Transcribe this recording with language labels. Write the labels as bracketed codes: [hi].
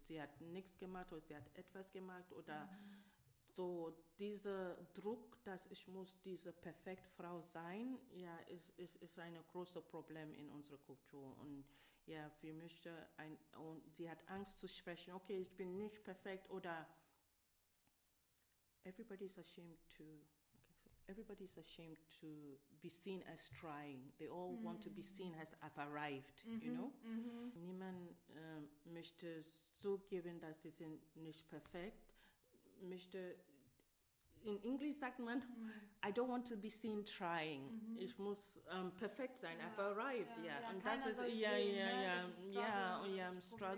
[de] Sie hat nichts gemacht oder sie hat etwas gemacht oder so dieser Druck, dass ich muss diese perfekte Frau sein, ist ein großes Problem in unserer Kultur. Und und sie hat Angst zu sprechen, okay, ich bin nicht perfekt oder [en] everybody is ashamed to be seen as trying. They all want to be seen as I've arrived, you know? [de] Niemand möchte zugeben, dass sie sind nicht perfekt. In Englisch sagt man, [en] I don't want to be seen trying. [de] Ich muss perfekt sein, [en] I've arrived. [de] Und das ist,